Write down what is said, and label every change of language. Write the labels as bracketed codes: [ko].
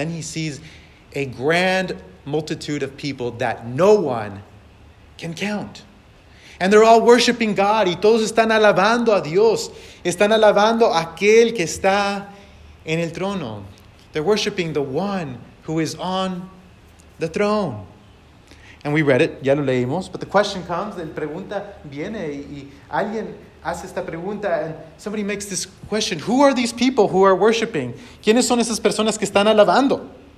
[en] Then he sees a grand multitude of people that no one can count. And they're all worshiping God. [es] Y todos están alabando a Dios. Están alabando a aquel que está en el trono. [en] They're worshiping the one who is on the throne. And we read it. [es] Ya lo leímos. [en] But the question comes. [es] La pregunta viene. Y alguien hace esta pregunta. [en] And somebody makes this question. Who are these people who are worshiping? [es] ¿Quiénes son esas personas que están alabando?